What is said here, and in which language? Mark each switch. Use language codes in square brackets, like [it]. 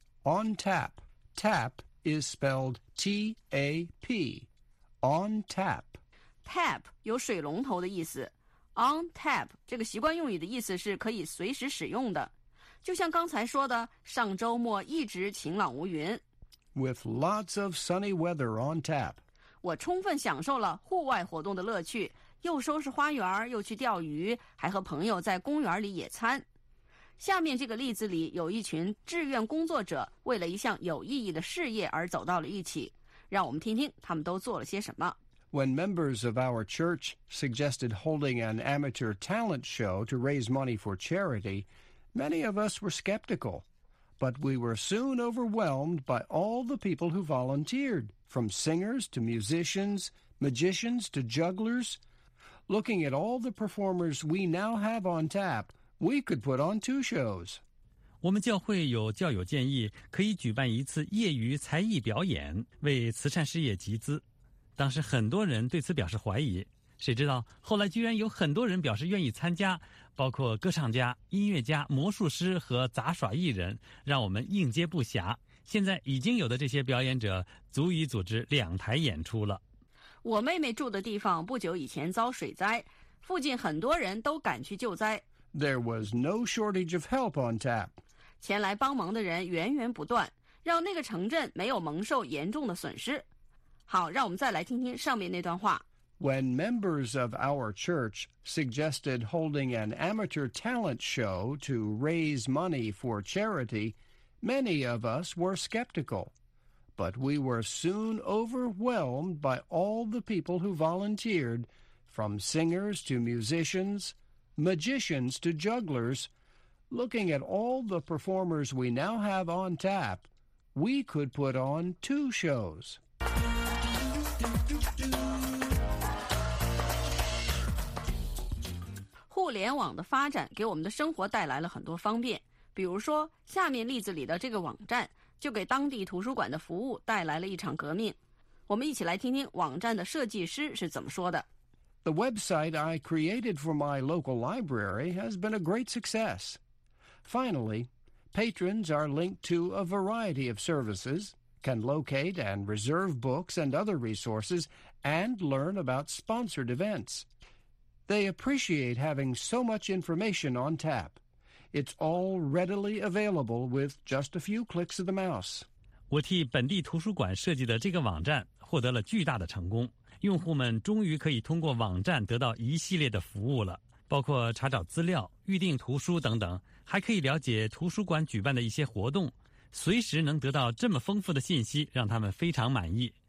[en] On tap. Tap is spelled T-A-P. On tap. [zh] Tap 有水龙头的意思。On tap 这个习惯用语的意思是可以随时使用的。就像刚才说的，上周末一直晴朗无云。 [en] With lots of sunny weather on tap. [zh] 我充分享受了户外活动的乐趣，又收拾花园，又去钓鱼，还和朋友在公园里野餐。下面这个例子里有一群志愿工作者为了一项有意义的事业而走到了一起。让我们听听他们都做了些什么。 [en] When members of our church suggested holding an amateur talent show to raise money for charity,Many of us were skeptical, but we were soon overwhelmed by all the people who volunteered, from singers to musicians, magicians to jugglers. Looking at all the performers we now have on tap, we could put on two shows. [zh] 我们教会有教友建议可以举办一次业余才艺表演，为慈善事业集资。当时很多人对此表示怀疑，谁知道后来居然有很多人表示愿意参加。包括歌唱家、音乐家、魔术师和杂耍艺人，让我们应接不暇。现在已经有的这些表演者足以组织两台演出了。我妹妹住的地方不久以前遭水灾，附近很多人都赶去救灾。 [en] There was no shortage of help on tap. [zh] 前来帮忙的人源源不断，让那个城镇没有蒙受严重的损失。好，让我们再来听听上面那段话。 [en] When members of our church suggested holding an amateur talent show to raise money for charity, many of us were skeptical. But we were soon overwhelmed by all the people who volunteered, from singers to musicians, magicians to jugglers. Looking at all the performers we now have on tap, we could put on two shows. [zh] 互联网的发展给我们的生活带来了很多方便，比如说下面例子里的这个网站就给当地图书馆的服务带来了一场革命。我们一起来听听网站的设计师是怎么说的。 [en] The website I created for my local library has been a great success. Finally, patrons are linked to a variety of services, can locate and reserve books and other resources, and learn about sponsored events. They appreciate having so much information on tap. It's all readily available with just a few clicks of the mouse. [zh] 我替本地图书馆设计的这个网站获得了巨大的成功。用户们终于可以通过网站得到一系列的服务了，包括查找资料、预订图书等等，还可以了解图书馆举办的一些活动。随时能得到这么丰富的信息，让他们非常满意。